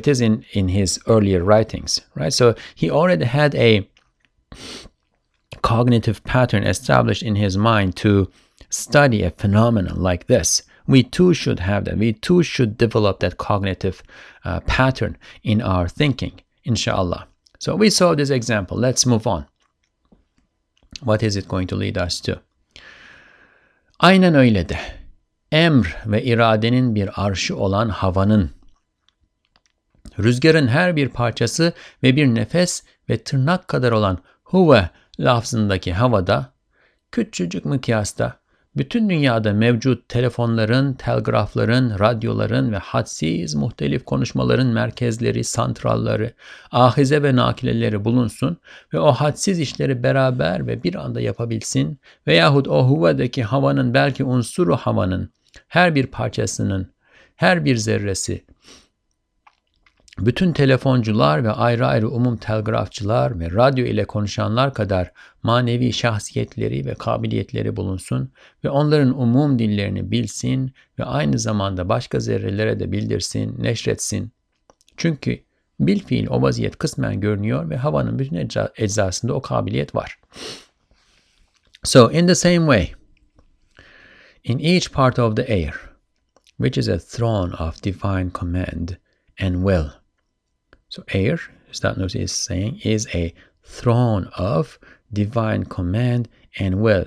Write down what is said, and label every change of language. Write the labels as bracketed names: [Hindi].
[English] It is in his earlier writings, right? So he already had a cognitive pattern established in his mind to study a phenomenon like this. We too should have that. We too should develop that cognitive pattern in our thinking, inshallah. So we saw this example. Let's move on. What is it going to lead us to? [Turkish] Aynen öyle de. Emr ve iradenin bir arşı olan havanın, rüzgarın her bir parçası ve bir nefes ve tırnak kadar olan huve lafzındaki havada, küçücük mikyasta, bütün dünyada mevcut telefonların, telgrafların, radyoların ve hadsiz muhtelif konuşmaların merkezleri, santralları, ahize ve nakileleri bulunsun ve o hadsiz işleri beraber ve bir anda yapabilsin veyahut o huvadaki havanın belki unsuru havanın her bir parçasının, her bir zerresi, bütün telefoncular ve ayrı ayrı umum telgrafçılar ve radyo ile konuşanlar kadar manevi şahsiyetleri ve kabiliyetleri bulunsun ve onların umum dillerini bilsin ve aynı zamanda başka zerrelere de bildirsin, neşretsin. Çünkü bilfiil o vaziyet kısmen görünüyor ve havanın bütün eczasında o kabiliyet var. [English] So in the same way, in each part of the air, which is a throne of divine command and will. So air, Ustad Nursi is saying, is a throne of divine command and will.